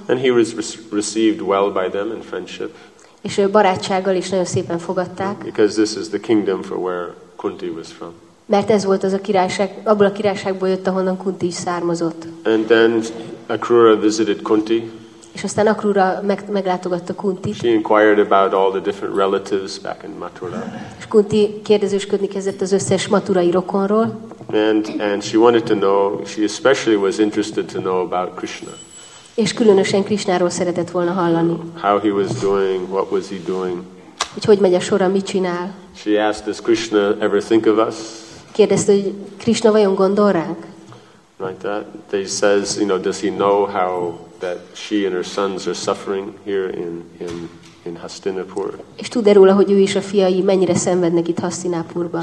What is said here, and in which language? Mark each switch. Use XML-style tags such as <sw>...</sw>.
<en>And he was received well by them in friendship.</en> <hu>És barátsággal is nagyon szépen fogadták.</hu> <en>Because this is the kingdom for where Kunti was from.</en> <hu>Mert ez volt az a királyság, abból a királyságból jött, ahonnan Kunti is származott.</hu> <en>And then Akrura visited Kunti.</en> <hu>És aztán Akrura meglátogatta Kuntit.</hu> <en>She inquired about all the different relatives back in Mathura.</en> <hu>És Kunti kérdezősködni kezdett az összes maturai rokonról.</hu> <en>And she wanted to know, she especially was interested to know about Krishna.</en> <hu>És különösen Krishnáról szeretett volna hallani.</hu> <en>How he was doing, what was he doing.</en> <hu>Hogy megy a sora, mit csinál.</hu> <en>She asked, does Krishna ever think of us?</en> <hu>Kérdezte, hogy Krishna vajon gondol ránk?</hu> <en>Like that. They says, you know, does he know how that she and her sons are suffering here in Hastinapur.</en> <hu>És tud-e róla, hogy ő és a fiai mennyire szenvednek itt Hastinapurban?</hu>